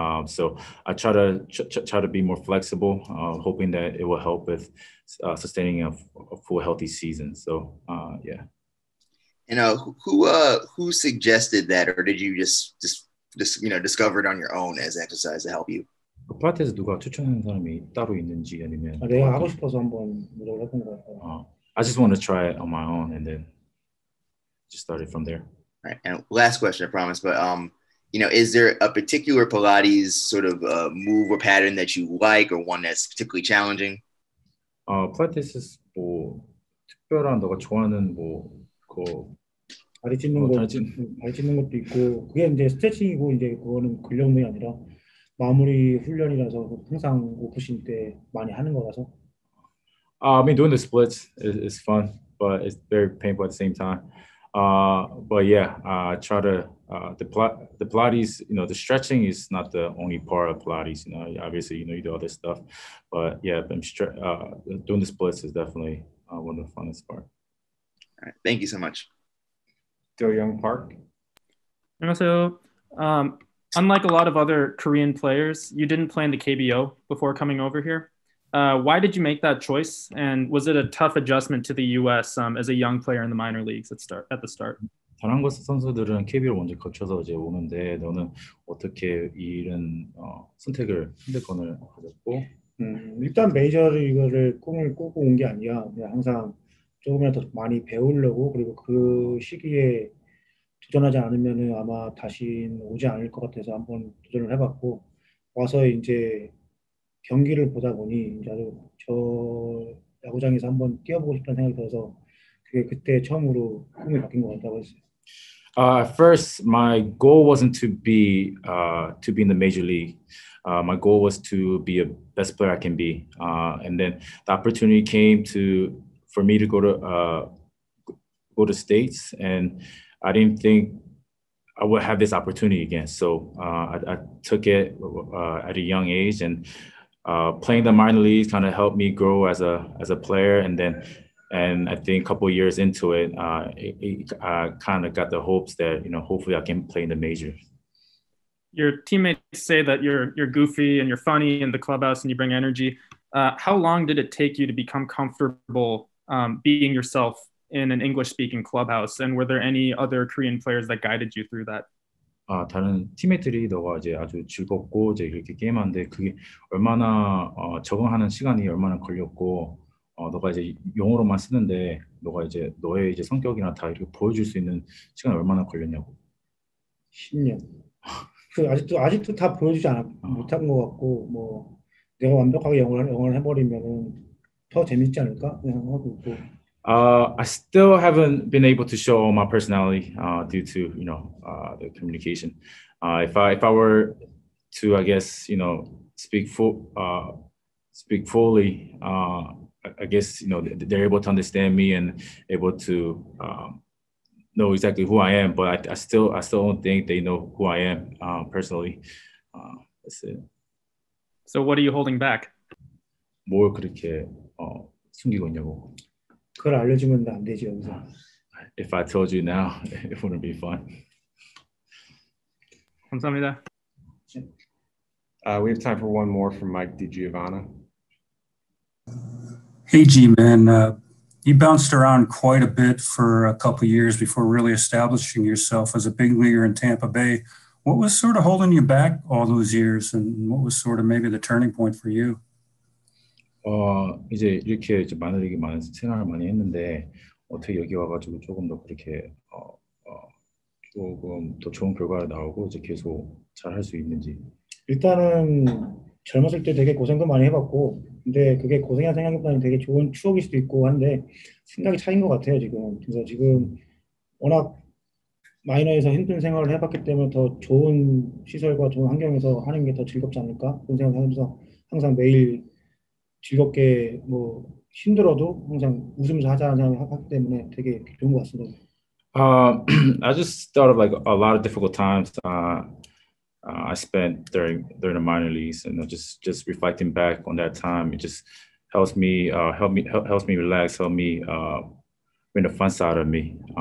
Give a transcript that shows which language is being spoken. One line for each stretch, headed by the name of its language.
English: So I try to be more flexible, hoping that it will help with sustaining a full healthy season. So yeah. You know, who suggested that, or did you just you know, discover it on your own as exercise to help you?
Korean: 플라테스 누가 추천하는 사람이 따로 있는지 아니면 내가 하고 싶어서 한번 물어봤던 거 같아요.
English: I just want to try it on my own and then just started from there. Right. And last question, I promise. But you know, is there a particular Pilates sort of move or pattern that you like, or one that's particularly challenging?
Korean: 플라테스 뭐 특별한 너가 좋아하는 뭐 다리 찢는 거, 다리 찢는 것도 있고 그게 이제 스트레칭이고 이제 그거는 근력이 아니라 마무리 훈련이라서 항상 오프신 때 많이 하는 거라서.
English: I mean, doing the splits is fun, but it's very painful at the same time. But yeah, I try to the Pilates, you know, the stretching is not the only part of Pilates. You know, obviously, you know, you do other stuff, but yeah, doing the splits is definitely one of the funnest parts. All right, thank you so much. Do Young Park. So, unlike a lot of other Korean players, you didn't play in the KBO before coming over here. Why did you make that choice? And was it a tough adjustment to the US as a young player in the minor leagues at the start?
Korean: 다른 곳 선수들은 KBO를 먼저 거쳐서 이제 오는데 너는 어떻게 이런 선택을 선택권을 가졌고? 일단 메이저를 이거를 꿈을 꾸고 온 게 아니야. 그냥 항상 조금이라도 많이 배우려고 그리고 그 시기에 도전하지 않으면은 아마 다시 오지 않을 것 같아서 한번 도전을 해봤고 와서 이제 경기를 보다 보니 이제 저 야구장에서 한번 뛰어보고 싶다는 생각이 들어서 그게 그때 처음으로 꿈이 바뀐 것 같다고 했어요.
English: First, my goal wasn't to be in the major league. My goal was to be a best player I can be. And then the opportunity came for me to go to States, and I didn't think I would have this opportunity again. So I took it at a young age, and playing the minor leagues kind of helped me grow as a player. And I think a couple of years into it, I kind of got the hopes that, you know, hopefully I can play in the majors. Your teammates say that you're goofy and you're funny in the clubhouse and you bring energy. How long did it take you to become comfortable being yourself in an English-speaking clubhouse, and were there any other Korean players that guided you through that?
Korean: 다른 팀메이트들이 너가 이제 아주 즐겁고 이제 이렇게 게임하는데 그게 얼마나 적응하는 시간이 얼마나 걸렸고 너가 이제 용어로만 쓰는데 너가 이제 너의 이제 성격이나 다 이렇게 보여줄 수 있는 시간이 얼마나 걸렸냐고. 10년. 그 아직도 다 보여주지 못한 것 같고 뭐 내가 완벽하게 영어를 해버리면은. 더 재밌지 않을까? 그냥 하고 있고.
English: I still haven't been able to show all my personality due to, you know, the communication. If I were to, I guess, you know, speak fully, I guess, you know, they're able to understand me and able to know exactly who I am, but I still don't think they know who I am personally. That's it. So what are you holding back?
Korean: 뭘 그렇게 숨기고 있냐고. 그걸 알려주면 안 되지 여기서.
English: If I told you now, it wouldn't be fun.
Korean: 감사합니다.
English: We have time for one more from Mike DiGiovanna. Hey, G-Man. You bounced around quite a bit for a couple of years before really establishing yourself as a big leaguer in Tampa Bay. What was sort of holding you back all those years, and what was sort of maybe the turning point for you?
Korean: 이제 이렇게 이제 많은 얘기 많아서 생활을 많이 했는데 어떻게 여기 와가지고 조금 더 그렇게 조금 더 좋은 결과가 나오고 이제 계속 잘할 수 있는지. 일단은 젊었을 때 되게 고생도 많이 해봤고 근데 그게 고생이라 생각보다는 되게 좋은 추억일 수도 있고 한데 생각이 차인 것 같아요 지금. 그래서 지금 워낙 마이너에서 힘든 생활을 해봤기 때문에 더 좋은 시설과 좋은 환경에서 하는 게 더 즐겁지 않을까 그런 생각을 하면서 항상 매일 즐겁게 뭐 힘들어도 항상 웃으면서 하자는 생각을 하기 때문에 되게 좋은 것 같습니다.
English: I just thought of like a lot of difficult times I spent during the minor leagues, and just reflecting back on that time, it just helps me helps me relax, help me bring the fun side of me.